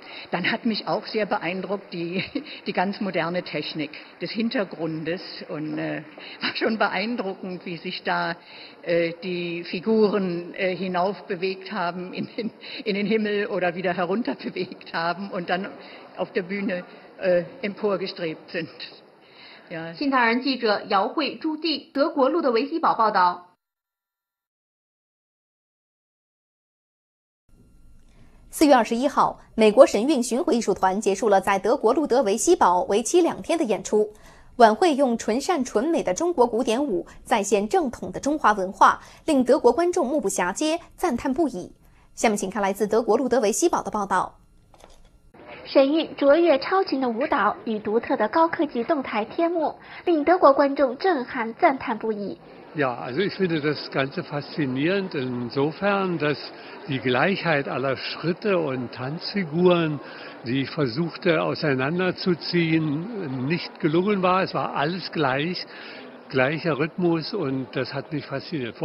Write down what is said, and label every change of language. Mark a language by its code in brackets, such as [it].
[de] Dann hat mich auch sehr beeindruckt die ganz moderne Technik des Hintergrundes und war schon beeindruckend, wie sich da die Figuren hinauf bewegt haben in den Himmel oder wieder herunter bewegt haben und dann auf der Bühne. Emporgestrebt sind. [zh] 新唐人记者姚慧、朱棣，德国路德维希堡报道。四月二十一号，美国神韵巡回艺术团结束了在德国路德维希堡为期两天的演出。晚会用纯善纯美的中国古典舞再现正统的中华文化，令德国观众目不暇接，赞叹不已。下面请看来自德国路德维希堡的报道。神韵卓越超群的舞蹈与独特的高科技动态贴幕，令德国观众震撼赞叹不已。 [de] Ja, also ich finde das Ganze faszinierend insofern, dass die Gleichheit aller Schritte und Tanzfiguren, die ich versuchte auseinanderzuziehen, nicht gelungen war. Es war alles gleich, gleicher Rhythmus und das hat mich fasziniert.